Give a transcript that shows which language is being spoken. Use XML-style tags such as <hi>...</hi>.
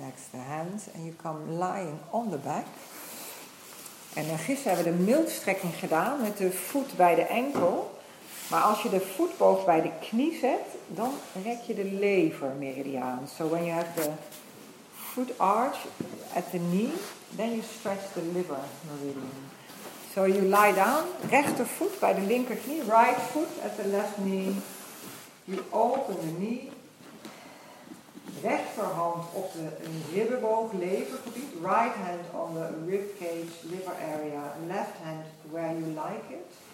<en>The hands and you come lying on the back.</en> <nl>En gisteren hebben we de mildstrekking gedaan met de voet bij de enkel. Maar als je de voetboog bij de knie zet, dan rek je de levermeridiaan.</nl> <en>So when you have the foot arch at the knee, then you stretch the liver meridian. So you lie down,</en> <nl>rechtervoet bij de linkerknie,</nl> <en>right foot at the left knee. You open the knee.</en> <nl>Rechterhand op de ribbenboog, levergebied.</nl> <en>Right hand on the ribcage, liver area. Left hand where you like it.</en>